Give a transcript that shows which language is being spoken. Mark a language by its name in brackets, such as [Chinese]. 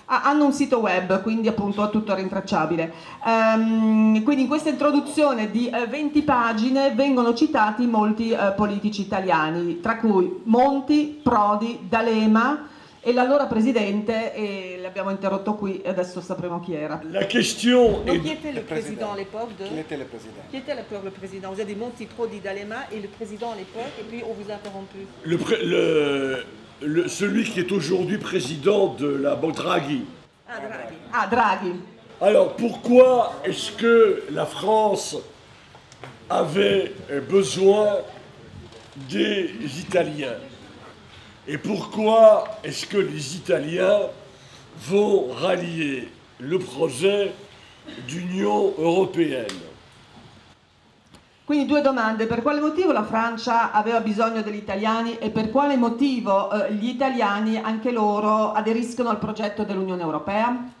[Italian] Ah, hanno un sito web, quindi appunto tutto rintracciabile. Quindi in questa introduzione di 20 pagine vengono citati molti politici italiani, tra cui Monti, Prodi, D'Alema... E l'allora presidente, e l'abbiamo interrotto qui, e adesso sapremo chi era. [French] La question est... Chi était le président à l'époque de... Qui était le président? Qui était l'époque le président? Vous avez Monti, Prodi, D'Alema, et le président à l'époque, et puis on vous a interrompu. Celui qui est aujourd'hui président de la Banque Draghi. Ah, Draghi. Alors, pourquoi est-ce que la France avait besoin des Italiens? Et pourquoi est-ce que les Italiens vont rallier le projet d'Union européenne? [Italian] Quindi due domande. Per quale motivo la Francia aveva bisogno degli italiani e per quale motivo gli italiani, anche loro, aderiscono al progetto dell'Unione Europea?